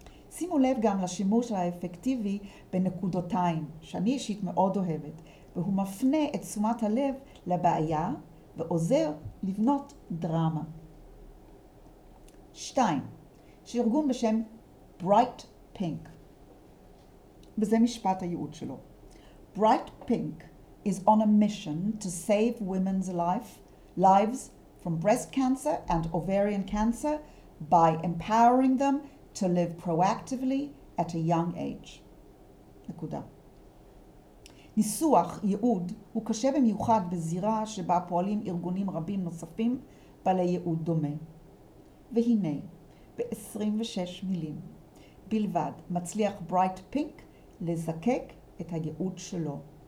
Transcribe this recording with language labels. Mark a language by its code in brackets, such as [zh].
[he] שימו לב גם לשימוש האפקטיבי בנקודותיים, שאני אישית מאוד אוהבת, והוא מפנה את תשומת הלב לבעיה ועוזר לבנות דרמה. שתיים, שארגון בשם Bright Pink. וזה משפט הייעוד שלו. [en] Bright Pink is on a mission to save women's lives from breast cancer and ovarian cancer by empowering them to live proactively at a young age. [he] נקודה. ניסוח ייעוד הוא קשה במיוחד בזירה שבה פועלים ארגונים רבים נוספים בעלי ייעוד דומה. והנה, ב-26 מילים בלבד מצליח Bright Pink לזקק את הייעוד שלו.